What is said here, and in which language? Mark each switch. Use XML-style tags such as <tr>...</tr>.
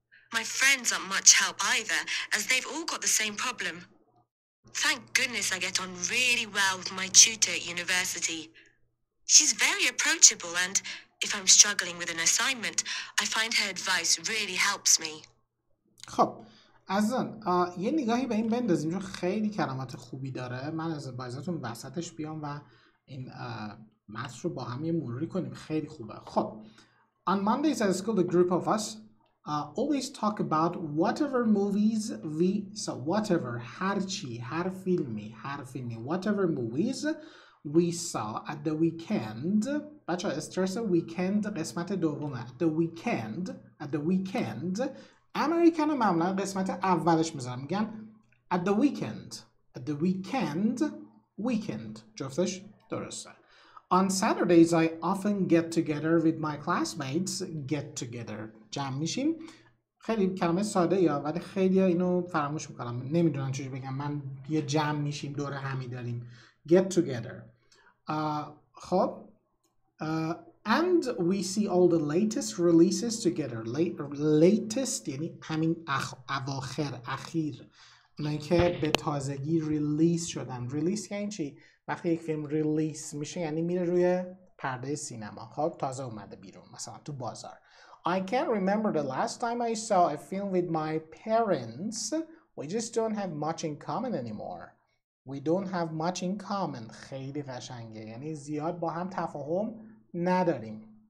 <en>My friends aren't much help either, as they've all got the same problem. Thank goodness I get on really well with my tutor at university. She's very approachable, and if I'm struggling with an assignment, I find her advice really helps me.</en> <fa>خب عزیزان یه نگاهی به این بندازیم چون خیلی کلمات خوبی داره. من از بازتون وسطش بیام و این متن رو با هم یه مروری کنیم. خیلی خوبه.</fa> <en>خب On Mondays at school, the group of us always talk about whatever movies we saw. Whatever,</en> <fa>هرچی, هر فیلمی,</fa> <en>whatever movies we saw at the weekend.</en> <fa>بچه ها استرس weekend قسمت دومه.</fa> <en>At the weekend</en> <fa>امریکن رو معمولا قسمت اولش میذارم. میگم</fa> <en>At the weekend</en> <fa>جفتش درسته.</fa> <en>On Saturdays I often get together with my classmates. Get together</en> <fa>جمع میشیم. خیلی کلمه ساده یا ولی خیلی اینو فراموش میکنم. نمیدونم چجور بگم. من یه جمع میشیم دور همی داریم.</fa> <en>Get together. خب and we see all the latest releases together.</en> <fa>Latest یعنی همین اواخر اخیر اونایی که به تازگی ریلیس شدن. ریلیس یعنی چی؟ وقتی یک فیلم ریلیس میشه یعنی میره روی پرده سینما. خب تازه اومده بیرون مثلا تو بازار.</fa> <en>I can't remember the last time I saw a film with my parents. We just don't have much in common anymore. We don't have much in common.</en> <fa>خیلی قشنگه. یعنی زیاد با هم تفاهم نداریم.</fa>